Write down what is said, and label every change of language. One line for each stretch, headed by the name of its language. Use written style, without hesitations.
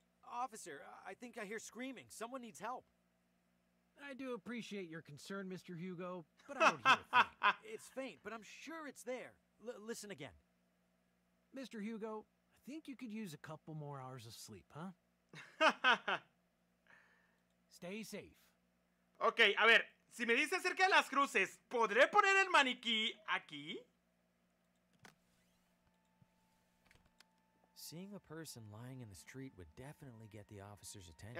English: Officer, I think I hear screaming. Someone needs help. I do appreciate your concern, Mr. Hugo, but I don't hear a thing. It's faint, but I'm sure it's there. Listen again. Mr. Hugo, I think you could use a couple more hours of sleep, huh? Stay safe.
Spanish: Okay, a ver, si me dice acerca de las cruces, ¿podré poner el maniquí aquí?
English: Seeing a person lying in the street would definitely get the officer's attention.